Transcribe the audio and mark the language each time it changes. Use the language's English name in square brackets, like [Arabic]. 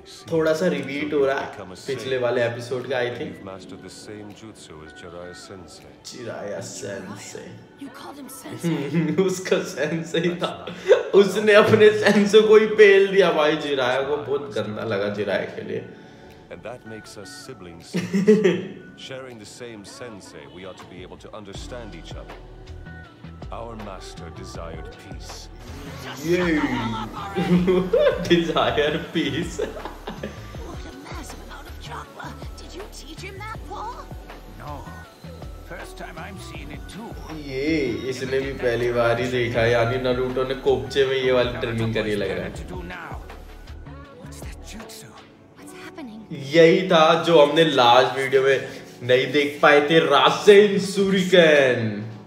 [Hindi] थोड़ा सा रिपीट हो रहा है पिछले वाले एपिसोड का, [English] I think. Master the same jutsu as Jiraiya sensei. [Hindi] Jiraiya Sensei, [English] you called him sensei, [Hindi] उसका सेंसेई था, उसने अपने सेंसो को ही पेल दिया भाई जिराया को। बहुत गंदा लगा जिराया के लिए। [English] And that makes us siblings. Sharing the same sensei, we ought to be able to understand each other. Our master desired peace. Yay! Desired peace. What a massive amount of chakra! Did you teach him that, Paul? No. First time I'm seeing it too. Yay! [Hindi] इसने भी पहली बार ही देखा, यानी Naruto ने कोपचे में ये वाली training करी लग रहा है। [English] What's that jutsu? What's happening? [Hindi] यही था जो हमने लास्ट वीडियो में नहीं देख पाए थे, रासेन सूरिकेन।